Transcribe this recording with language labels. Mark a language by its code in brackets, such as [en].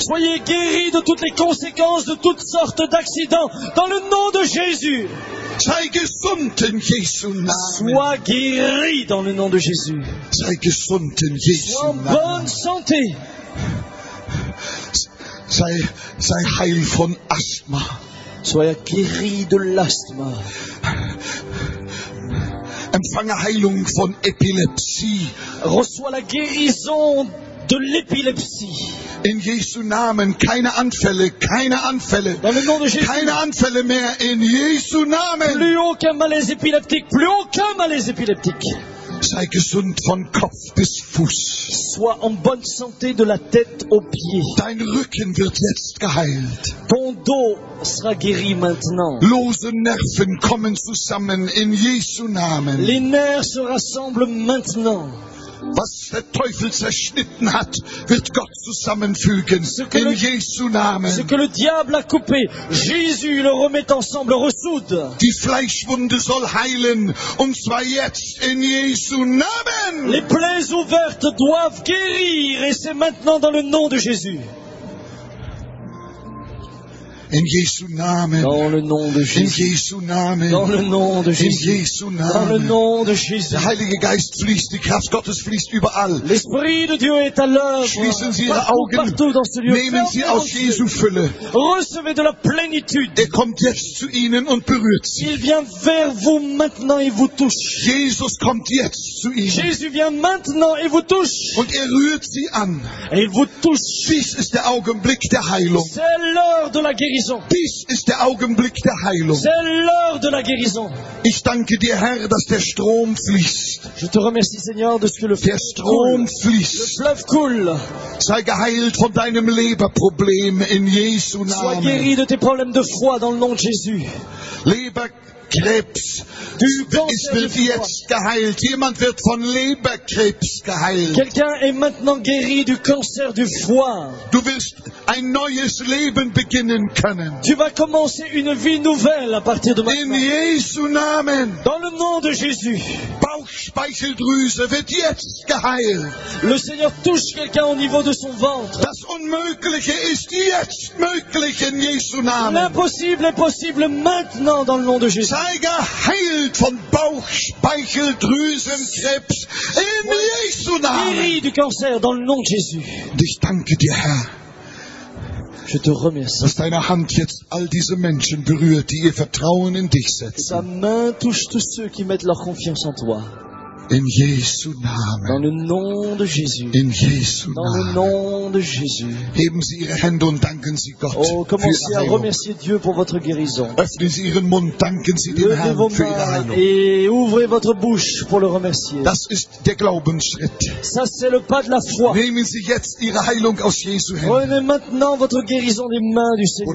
[fr] Soyez guéri de toutes les conséquences de toutes sortes d'accidents dans le nom de Jésus. [de] Sei gesund in Jesu Namen. [fr] Sois guéri dans le nom de Jésus. [de] Sei gesund in Jesu Namen. [fr] Sois en bonne santé. [de] Sei heil von Asthma. [fr] Sois guéri de l'asthme. [de] Empfange Heilung von Epilepsie. [fr] Reçois la guérison de l'épilepsie. [de] In Jesu Namen, keine Anfälle, keine Anfälle. [fr] Dans le nom de Jésus. [de] Keine Anfälle mehr in Jesu Namen. [fr] Plus aucun malaise épileptique, plus aucun malaise épileptique. [de] Sei gesund von Kopf bis Fuß. [fr] Sois en bonne santé de la tête aux pieds. [de] Dein Rücken wird jetzt geheilt. [fr] Ton dos sera guéri maintenant. [de] Lose Nerven kommen zusammen in Jesu Namen. [fr] Les nerfs se rassemblent maintenant. [de] Was der Teufel zerschnitten hat, wird Gott zusammenfügen in Jesu Namen. [fr] Ce que le diable a coupé, Jésus le remet ensemble, ressoude. [de] Die Fleischwunde soll heilen, und zwar jetzt in Jesu Namen. [fr] Les plaies ouvertes doivent guérir, et c'est maintenant dans le nom de Jésus. [de] In Jesu Namen. [fr] Dans le nom de Jésus. [de] In Jesu Namen. [fr] Dans le nom de Jésus. [de] In Jesu Namen. [fr] Dans le nom de Jésus. [de] Der Heilige Geist fließt, die Kraft Gottes fließt überall. [fr] L'Esprit de Dieu est à l'œuvre. [de] Schließen Sie Ihre Augen. [fr] Partout dans ce lieu. [de] Nehmen Sie aus Jesu Fülle. [fr] Recevez de la plénitude. [de] Er kommt jetzt zu Ihnen und berührt Sie. [fr] Il vient vers vous maintenant et vous touche. [de] Jesus kommt jetzt zu Ihnen. [fr] Jésus vient maintenant et vous touche. [de] Und er rührt Sie an. [fr] Et il vous touche. [de] Dies ist der Augenblick der Heilung. [fr] C'est l'heure de la guérison. [de] Dies ist der Augenblick der Heilung. [fr] C'est l'heure de la guérison. [de] Ich danke dir, Herr, dass der Strom fließt. [fr] Je te remercie, Seigneur, de ce que le [de] der Strom fließt. [fr] Le fleuve coule. [de] Sei geheilt von deinem Leberproblem in Jesu Namen. [fr] Sois guéri de tes problèmes de foi dans le nom de Jésus. [de] Leberkrebs ist jetzt geheilt. Jemand wird von Leberkrebs geheilt. [fr] Quelqu'un est maintenant guéri du cancer du foie. [de] Du wirst ein neues Leben beginnen können. Amen. [fr] Tu vas commencer une vie nouvelle à partir de maintenant. [de] In Jesu Namen. [fr] Dans le nom de Jésus. [de] Bauchspeicheldrüse wird jetzt geheilt. [fr] Le Seigneur touche quelqu'un au niveau de son ventre. [de] Das Unmögliche ist jetzt möglich in Jesu Namen. [fr] L'impossible est possible maintenant dans le nom de Jésus. [de] Sei geheilt von Bauchspeicheldrüsenkrebs in Jesu Namen. [fr] Guéris du cancer dans le nom de Jésus. [de] Ich danke dir, Herr. [fr] Je te remercie. [de] Dass deine Hand jetzt all diese Menschen berührt, die ihr Vertrauen in dich setzen. [fr] Ta main touche tous ceux qui mettent leur confiance en toi. [de] In Jesu Namen. [fr] Dans le nom de Jésus. [de] In Jesu Namen. [fr] Dans le nom de Jésus. [de] Heben Sie Ihre Hände und danken Sie Gott. [fr] Oh, commencez à remercier Dieu pour votre guérison. [de] Öffnen Sie Ihren Mund, danken Sie dem Herrn für Ihre Heilung. [fr] Et ouvrez votre bouche pour le remercier. [de] Das ist der Glaubensschritt. [fr] Ça, c'est le pas de la foi. [de] Nehmen Sie jetzt Ihre Heilung aus Jesu Händen. [fr] Prenez maintenant votre guérison des mains du Seigneur.